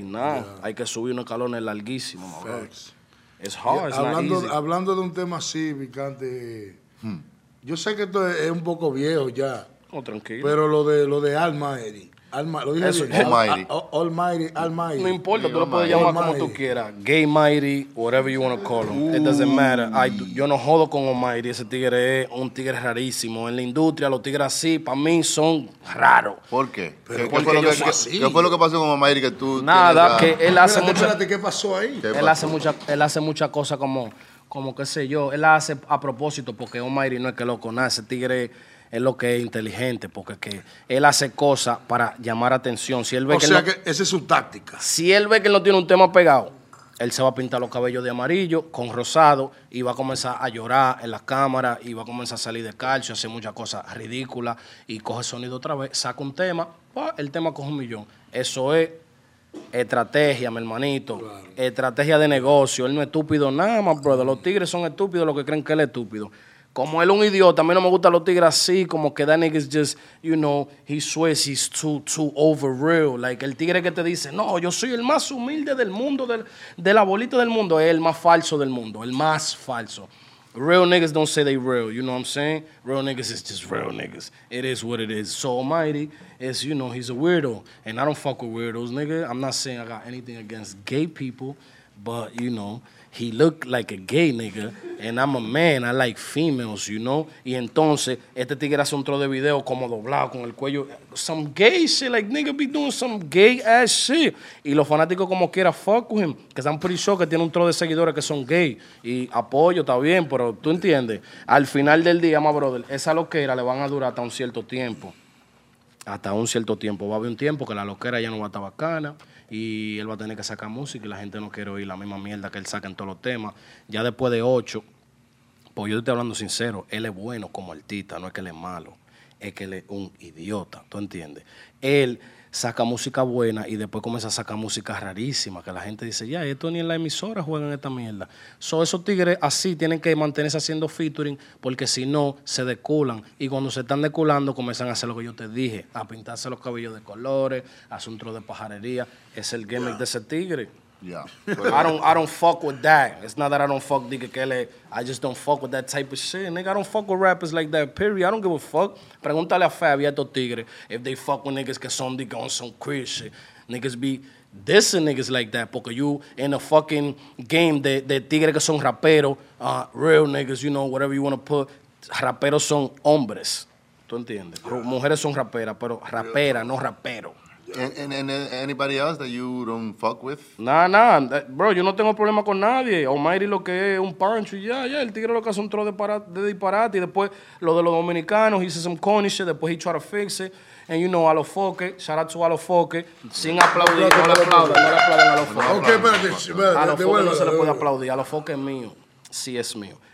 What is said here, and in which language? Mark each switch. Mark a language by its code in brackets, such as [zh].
[es] Nada. Hay que subir unos escalones larguísimos. [en] It's hard, it's [es] hablando, [en] not easy. [es] Hablando de un tema así, picante, yo sé que esto es un poco viejo ya. Oh, tranquilo. Pero lo de Almighty. Lo dije eso, Almighty. Almighty. No importa, tú lo puedes llamar Almighty como tú quieras. [en] Gay Mighty, whatever you want to call him. [es] Uy. [en] It doesn't matter. [es] Yo no jodo con Almighty. Ese tigre es un tigre rarísimo. En la industria, los tigres así, para mí, son raros. ¿Por qué? ¿Qué fue lo que pasó con Almighty que tú... Nada, que él hace mucho... Espérate, ¿qué pasó ahí? Él hace muchas cosas como qué sé yo. Él hace a propósito, porque Almighty no es que loco. Nada, ese tigre... Es lo que es inteligente, porque que él hace cosas para llamar atención. Si él ve o que sea él no, que esa es su táctica. Si él ve que él no tiene un tema pegado, él se va a pintar los cabellos de amarillo con rosado y va a comenzar a llorar en la cámara y va a comenzar a salir de calcio, hacer muchas cosas ridículas y coge sonido otra vez, saca un tema, ¡pah! El tema coge 1 millón. Eso es estrategia, mi hermanito. Claro. Estrategia de negocio. Él no es estúpido nada más, brother. Los tigres son estúpidos los que creen que él es estúpido. Como él es un idiota, a mí no me gustan los tigres así, como que [en] that nigga is just, you know, he swears he's too over real. Like, [es] el tigre que te dice, no, yo soy el más humilde del mundo, de la bolita del mundo, es el más falso del mundo, el más falso. [en] Real niggas don't say they real, you know what I'm saying? Real niggas is just real niggas. It is what it is. So Almighty is, you know, he's a weirdo. And I don't fuck with weirdos, nigga. I'm not saying I got anything against gay people, but, you know, he looked like a gay nigga, and I'm a man, I like females, you know? [es] Y entonces, este tigre hace un tro de video como doblado con el cuello. [en] Some gay shit, like nigga be doing some gay ass shit. [es] Y los fanáticos como quiera, [en] fuck with him, [es] que están [en] pretty sure [es] que tiene un tro de seguidores que son gay. Y apoyo, está bien, pero tú entiendes. Al final del día, [en] my brother, [es] esa loquera le van a durar hasta un cierto tiempo. Hasta un cierto tiempo. Va a haber un tiempo que la loquera ya no va a estar bacana. Y él va a tener que sacar música y la gente no quiere oír la misma mierda que él saca en todos los temas. Ya después de 8, pues yo te estoy hablando sincero, él es bueno como artista, no es que él es malo, es que él es un idiota, ¿tú entiendes? Él saca música buena y después comienza a sacar música rarísima, que la gente dice, ya, esto ni en la emisora juegan esta mierda. So, esos tigres así tienen que mantenerse haciendo featuring, porque si no, se deculan. Y cuando se están deculando, comienzan a hacer lo que yo te dije, a pintarse los cabellos de colores, hacer un tro de pajarería. Es el gimmick de ese tigre. [en] Yeah. I don't fuck with that. It's not that I don't fuck nigga [es] que le. [en] I just don't fuck with that type of shit. Nigga, I don't fuck with rappers like that, period. I don't give a fuck. [es] Pregúntale a Fab y a estos tigres [en] if they fuck with niggas [es] que son [en] nigga on some queer shit. Niggas be dissing niggas like that [es] porque [en] you in a fucking game [es] de tigres que son raperos, [en] real niggas, you know, whatever you want to put. [es] Raperos son hombres. ¿Tú entiendes? Yeah. Mujeres son raperas, pero rapera, no rapero. [en] And anybody else that you don't fuck with? [es] Nah, bro, yo no tengo problema con nadie. Almighty lo que es un pancho, el tigre lo que hace un tro de disparate. Y después lo de los dominicanos, [en] he said some corny shit, [es] después [en] he tried to fix it. And you know, Alofoque, shout out to Alofoque. [es] Sin aplaudir, no le aplaudan a Alofoque. Ok, espérate, Alofoque no se le puede aplaudir, Alofoque es mío, sí es mío.